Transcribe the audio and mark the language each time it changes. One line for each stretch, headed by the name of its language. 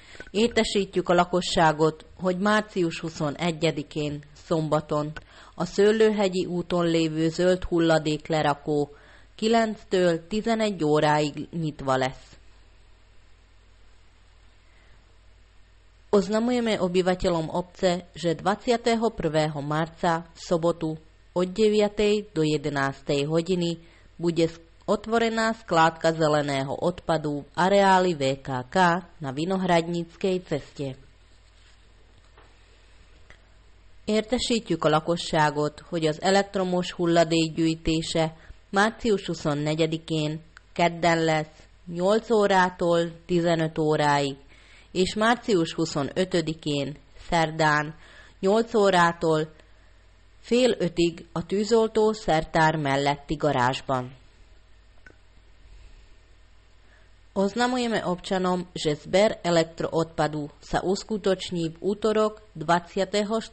Hungarian: Értesítjük a lakosságot, hogy március 21-én, szombaton, a Szőlőhegyi úton lévő zöld hulladék lerakó 9-től 11 óráig nyitva lesz.
Slovak: Oznamujeme obyvateľom obce, že 21. marca v sobotu od 9. do 11. hodiny bude otvorená skládka zeleného odpadu v areáli VKK na Vinohradníckej ceste.
Hungarian: Értesítjük a lakosságot, hogy az elektromos hulladék gyűjtése március 24-én kedden lesz 8 órától 15 óráig, és március 25-én szerdán 8 órától fél ötig a tűzoltó szertár melletti garázsban.
Slovak: Oznamujeme občanom, že zber elektroodpadu sa uskutoční v útorok 24.